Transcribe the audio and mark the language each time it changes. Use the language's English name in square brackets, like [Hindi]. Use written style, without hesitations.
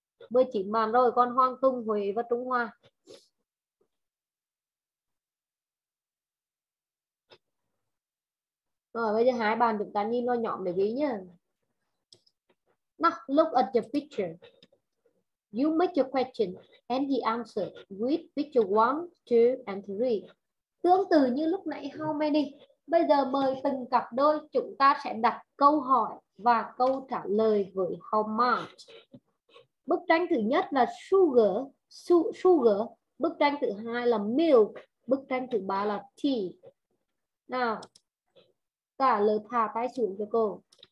[Vietnamese] 19 bạn rồi. Còn Hoàng Tùng, Huế và Tùng Hoa. Rồi bây giờ hai bạn chúng ta nhìn nó nhỏ để ghi nhé. [English] Now look at the picture. You make your question and the answer with picture 1, 2 and 3. [Vietnamese] Tương tự như lúc nãy how many. Bây giờ mời từng cặp đôi chúng ta sẽ đặt câu hỏi và câu trả lời với how much. Bức tranh thứ nhất là sugar, sugar. Bức tranh thứ hai là milk. Bức tranh thứ ba là tea. Nào, cả lớp thả tay xuống cho cô.